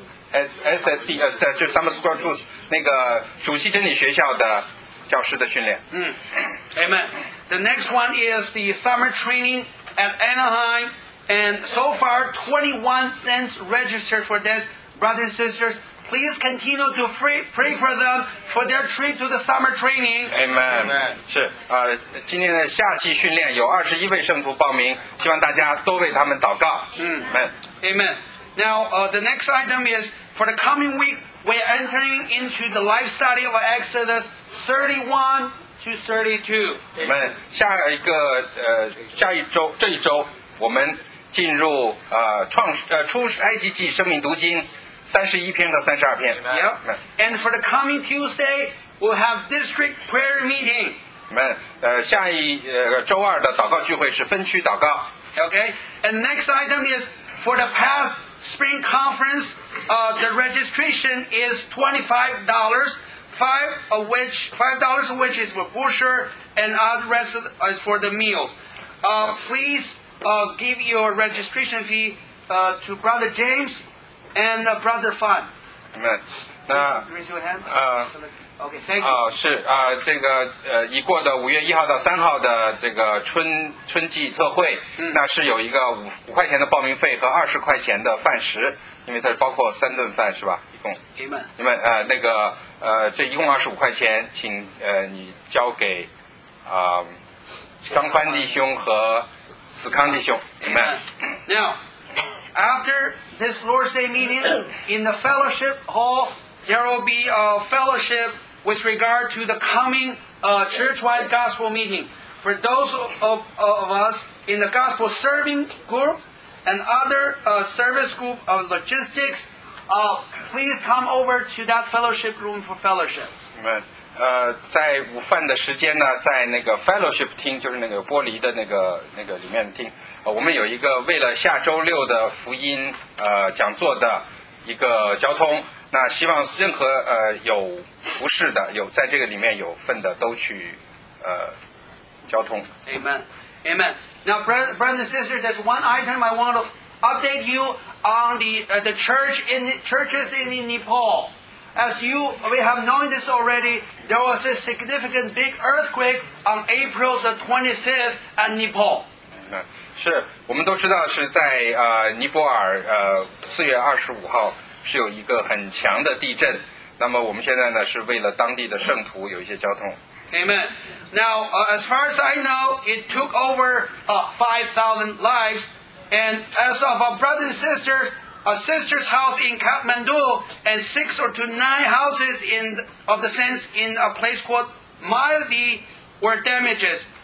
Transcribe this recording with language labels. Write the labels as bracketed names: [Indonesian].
[Chinese] SST, 就 Summer School Truth, 那个暑期真理学校的教师的训练。 [English] Amen. The next one is the summer training at Anaheim, and so far 21 cents registered for this, brothers and sisters. Please continue to pray for them for their trip to the summer training. Amen. [Chinese] 是今天的夏季训练有21位圣徒报名，希望大家多为他们祷告。 [English] Amen. Now, the next item is for the coming week, we are entering into the life study of Exodus 31 to 32. Amen. [Chinese] 这一周，我们进入出埃及记生命读经。 31篇和32篇。 [English] Yep. And for the coming Tuesday, we'll have district prayer meeting. Amen. [Chinese] 下一周二的祷告聚会是分区祷告。 [English] Okay. And next item is for the past spring conference, the registration is $25, $5 of which is for brochure, and the rest is for the meals. Please give your registration fee to Brother James. And Brother Fun. Amen. Raise your hand. Okay, thank you. [Chinese] 是这个已过的5月1号到3号的这个春季特会，那是有一个5块钱的报名费和20块钱的饭食，因为它是包括三顿饭是吧？一共。 [English] Amen. [Chinese] 这一共25块钱，请你交给张帆弟兄和子康弟兄。 [English] Amen. Now. after this Lord's Day meeting, in the fellowship hall, there will be a fellowship with regard to the coming church-wide gospel meeting. For those of us in the gospel serving group and other service group of logistics, please come over to that fellowship room for fellowship. Amen. [Chinese] 在午饭的时间呢，在那个 fellowship 厅，就是那个玻璃的那个里面厅。我们有一个为了下周六的福音讲座的一个交通。那希望任何有服事的，有在这个里面有份的，都去交通。Amen, amen. [English] Now, brothers and sisters, there's one item I want to update you on the church in churches in Nepal. As we have known this already, there was a significant big earthquake on April the 25th in Nepal. [Chinese] 是，我们都知道是在尼泊尔，4月25号是有一个很强的地震。那么我们现在呢，是为了当地的圣徒有一些交通。Amen. [English] Now, as far as I know, it took over 5,000 lives, and as of our brothers and sisters, a sister's house in Kathmandu and 6 to 9 houses of the saints in a place called Maldi were damaged.